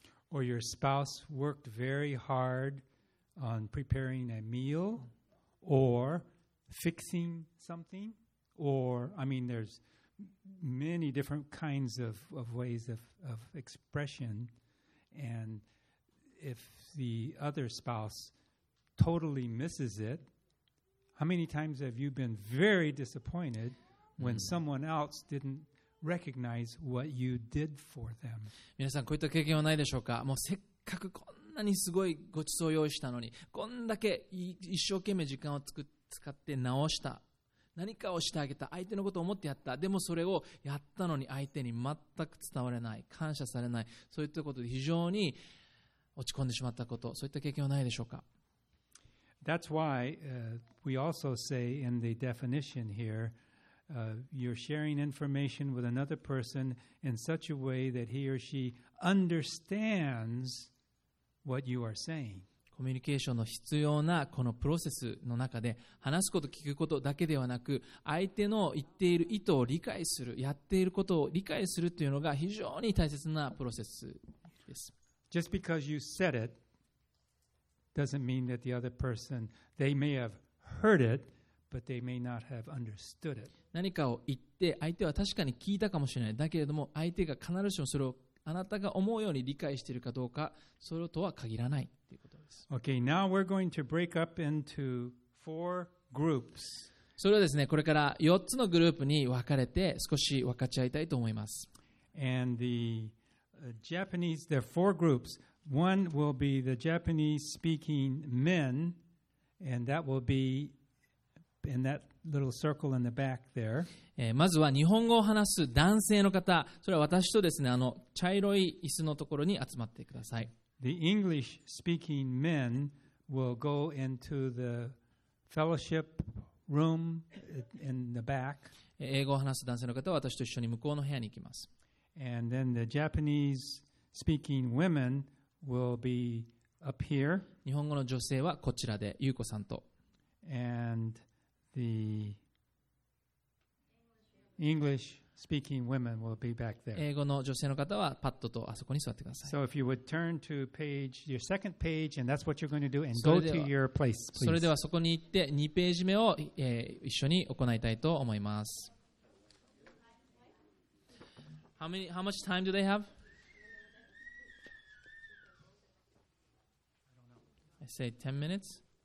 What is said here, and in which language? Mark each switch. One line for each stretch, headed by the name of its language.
English: Or your spouse worked very hard on preparing a meal or fixing something or I mean there'sMany different kinds of ways of expression, and if the other spouse totally misses it, how many times have you been very disappointed when someone else didn't recognize what you did for them?
Japanese: 皆さんこういった経験はないでしょうか。もうせっかくこんなにすごいごちそうを用意したのに、こんだけ一生懸命時間を使って直した。何かをしてあげた、相手のことを思ってやった、でもそれをやったのに相手に全く伝われない、感謝されない、そういったことで非常に落ち込んでしまったこと、そういった経験はないでしょうか。
English: That's why、we also say in the definition here、you're sharing information with another person in such a way that he or she understands what you are saying。
Japanese: コミュニケーションの必要なこのプロセスの中で、話すこと聞くことだけではなく、相手の言っている意図を理解する、やっていることを理解するというのが非常に大切なプロセスです。
English: Just because you said it doesn't mean that the other person, they may have heard it but they may not have understood it。
Japanese: 何かを言って相手は確かに聞いたかもしれない、だけれども相手が必ずしもそれをあなたが思うように理解しているかどうか、それとは限らないということです。
English: Okay, now we're going to break up into four groups.
Japanese: それはですね、これから4つのグループに分かれて少し分かち合いたいと思います。
English: And the Japanese, there are four groups. One will be the Japanese speaking men, and that will be in that little circle in the back there.
Japanese: まずは日本語を話す男性の方、それは私とですね、あの茶色い椅子のところに集まってください。
English: The English speaking men will go into the fellowship room in the back.
Japanese: 英語を話す男性の方は私と一緒に向こうの部屋に行きます。
English: And then the Japanese speaking women will be up here.
Japanese: 日本語の女性はこちらで、優子さんと。
English: And theEnglish speaking women will be back there.
Japanese: 英語の女性の方はパッドとあそこに座ってください。
English: So if you would turn to page, your second page, and that's what you're going to do, and go to your place, please.
Japanese: それではそこに行って2ページ目を、一緒に行いたいと思います。
English: How much time do they have? I say 10 minutes?